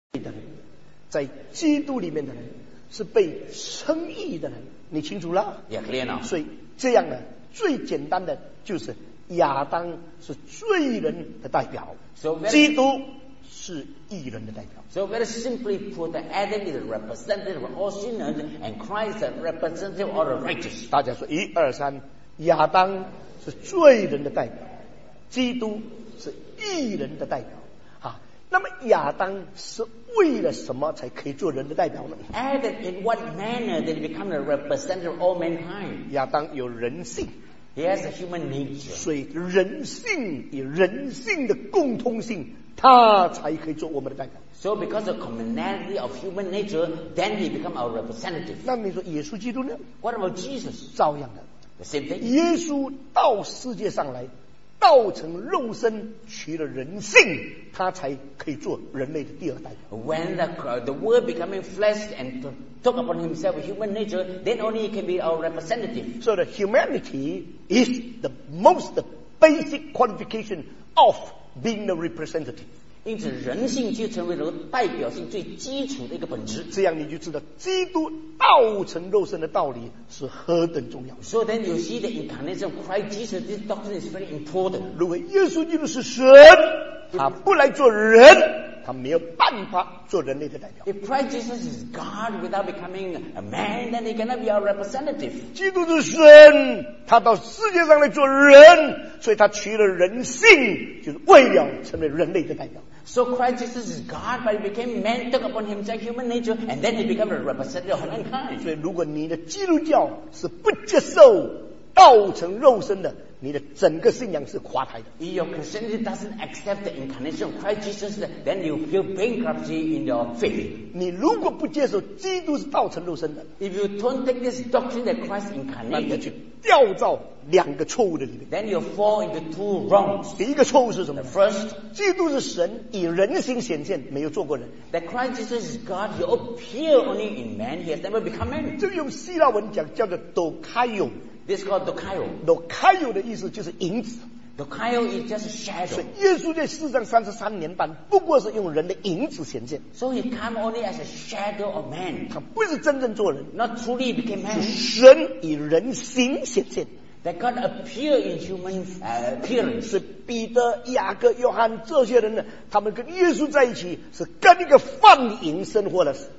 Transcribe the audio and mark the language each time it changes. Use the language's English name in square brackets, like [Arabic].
[Chinese] 的人，在基督里面的人是被称义的人，你清楚了？也可怜了。所以这样呢，最简单的就是亚当是罪人的代表，基督是义人的代表。 [English] So very simply put, Adam is a representative of all sinners, and Christ is a representative of all the righteous. [Chinese] 大家说一二三，亚当是罪人的代表，基督是义人的代表。啊，那么亚当是为了什么才可以做人的代表呢 [English] ？Adam, in what manner did he become a representative of all mankind? [Chinese] 亚当有人性。 [English] He has a human nature. [Chinese] 所以人性与人性的共通性，他才可以做我们的代表。 [English] So because of commonality of human nature, then he become our representative. [Chinese] 那你说耶稣基督呢 [English] ？What about Jesus? [Chinese] 照样的。 [English] The same thing. [Chinese] 耶稣到世界上来，道成肉身，取了人性，他才可以做人类的第二代表。 [English] When the Word becoming flesh and took upon himself human nature, then only he can be our representative. So the humanity is the most basic qualification of being the representative. [Chinese] 因此，人性就成为了代表性最基础的一个本质。这样你就知道基督道成肉身的道理是何等重要。 [English] So then you see the incarnation of Christ Jesus. This doctrine is very important. [Chinese] 如果耶稣基督是神，他不来做人。他没有办法做人类的代表。 [English] If Christ Jesus is God without becoming a man, then he cannot be our representative. [Chinese] 基督是神，他到世界上来做人，所以他取了人性，就是为了成为人类的代表。 [English] So Christ Jesus is God, but he became man, took upon himself human nature, and then he became a representative of mankind. [Chinese] 所以，如果你的基督教是不接受道成肉身的，你的整个信仰是垮台的。 [English] If your Christianity doesn't accept the incarnation of Christ Jesus, then you feel bankruptcy in your faith. [Chinese] 你如果不接受基督是道成肉身的 [English] ，If you don't take this doctrine that Christ incarnated, [Chinese] 那你去掉到两个错误的里面。 [English] Then you fall into two wrongs. [Chinese] 第一个错误是什么 [English] ？The first, [Chinese] 基督是神以人形显现，没有做过人。 [English] That Christ Jesus is God, he appeared only in man, he has never become man. [Chinese] 这个用希腊文讲叫做 dokaio。 [English] This is called Dokaio. [Chinese] Dokaio 的意思就是影子。 [English] Dokaio is just a shadow. [Chinese] 所以耶稣在世上33年半不过是用人的影子显现。 [English] So he came only as a shadow of man. [Chinese] 他不是真正做人。 [English] Not truly became man. [Chinese] 是神以人形显现。 [English] That God appeared in human appearance. [Chinese] 是彼得、雅各、约翰这些人呢，他们跟耶稣在一起是跟一个放影生活的。